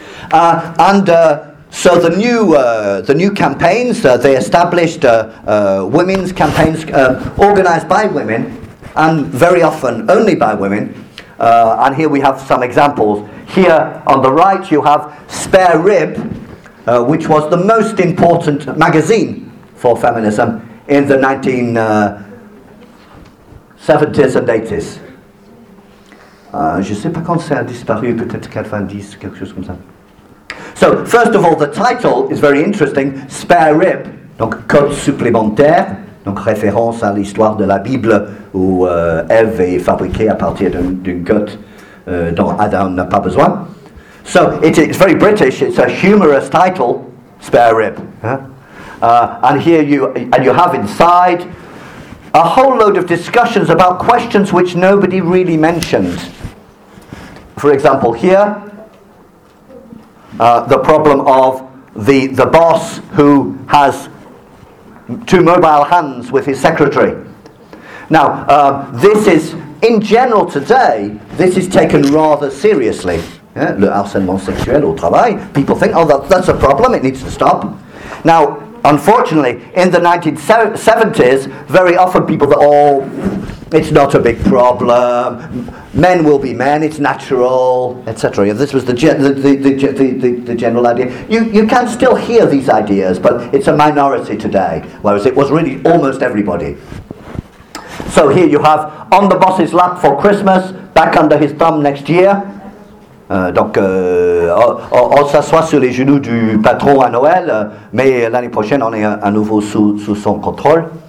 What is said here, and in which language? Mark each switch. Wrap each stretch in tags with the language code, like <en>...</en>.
<en>So the new campaigns they established women's campaigns organized by women, and very often only by women. And here we have some examples. Here on the right you have Spare Rib, which was the most important magazine for feminism in the 1970s and 80s.</en> <fr>Je ne sais pas quand ça a disparu, peut-être 90, quelque chose comme ça.</fr> <en>So, first of all, the title is very interesting, Spare Rib,</en> <fr>donc Code supplémentaire, donc référence à l'histoire de la Bible où Ève est fabriquée à partir d'une côte dont Adam n'a pas besoin.</fr> <en>So it's very British. It's a humorous title, Spare Rib. Yeah? And you have inside a whole load of discussions about questions which nobody really mentioned. For example, here, the problem of the boss who has two mobile hands with his secretary. Now, this is, in general today, this is taken rather seriously. Yeah,</en> <fr>le harcèlement sexuel au travail.</fr> <en>People think, that's a problem, it needs to stop. Now, unfortunately, in the 1970s, very often people thought, it's not a big problem, men will be men, it's natural, etc. Yeah, this was the general idea. You can still hear these ideas, but it's a minority today, whereas it was really almost everybody. So here you have, on the boss's lap for Christmas, back under his thumb next year.</en> <fr>On s'assoit sur les genoux du patron à Noël, mais l'année prochaine on est à nouveau sous son contrôle.</fr>